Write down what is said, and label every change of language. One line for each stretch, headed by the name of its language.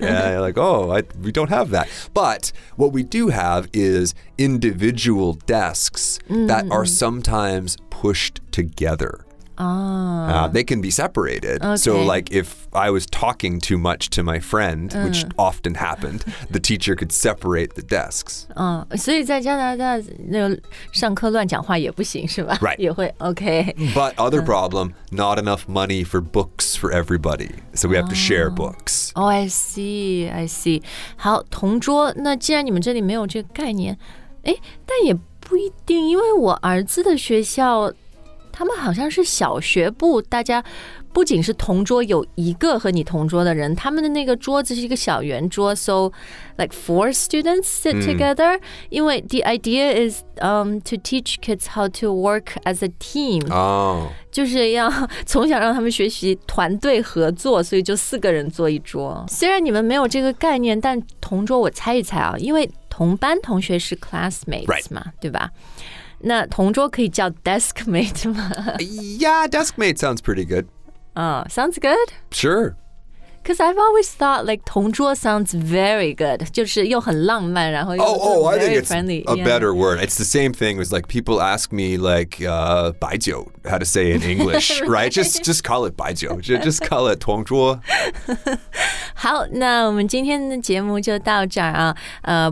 English: And like, we don't have that. But what we do have is individual desks that are sometimes pushed together. They can be separated. Okay. So like if I was talking too much to my friend, which often happened, the teacher could separate the desks.
Chinese: 所以在加拿大上课乱讲话也不行是吧
English: Right.
Chinese: 也会 okay.
English: But other problem, not enough money for books for everybody. So we have to share books. I see.
Chinese: 好同桌那既然你们这里没有这个概念但也不一定因为我儿子的学校他们好像是小学部，大家不仅是同桌，有一个和你同桌的人，他们的那个桌子是一个小圆桌 ，
English: so like 4 students sit together.、
Chinese: Mm. 因为
English: the idea is to teach kids how to work as a team. Oh.
Chinese: 就是要从小让他们学习团队合作，所以就四个人坐一桌。虽然你们没有这个概念，但同桌我猜一猜啊，因为同班同学是 classmates 嘛，
English: right.
Chinese: 对吧？那同桌可以叫 deskmate 吗
English: Yeah, deskmate sounds pretty good. Sounds good? Sure. Because I've always thought like 同桌 sounds very good.
Chinese: 就是又很浪漫然后又
English: I think it's friendly. A、yeah. better word. It's the same thing. It's like people ask me like 白酒 how to say in English, right? just call it 白酒 just call it 同桌
Chinese: 好那我们今天的节目就到这儿啊。